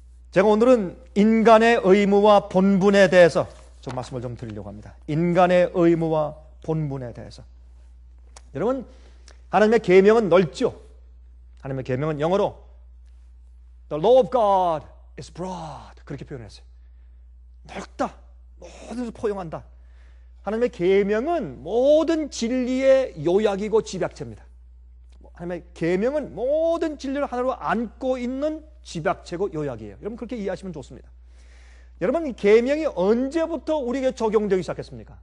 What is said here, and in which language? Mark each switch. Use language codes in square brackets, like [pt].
[ko] 제가 오늘은 인간의 의무와 본분에 대해서 좀 말씀을 좀 드리려고 합니다. 인간의 의무와 본분에 대해서. 여러분, 하나님의 계명은 넓죠? 하나님의 계명은 영어로 [en] The law of God is broad. [ko] 그렇게 표현했어요. 넓다. 모든 것을 포용한다. 하나님의 계명은 모든 진리의 요약이고 집약체입니다. 하나님의 계명은 모든 진리를 하나로 안고 있는 집약체고 요약이에요. 여러분 그렇게 이해하시면 좋습니다. 여러분 계명이 언제부터 우리에게 적용되기 시작했습니까?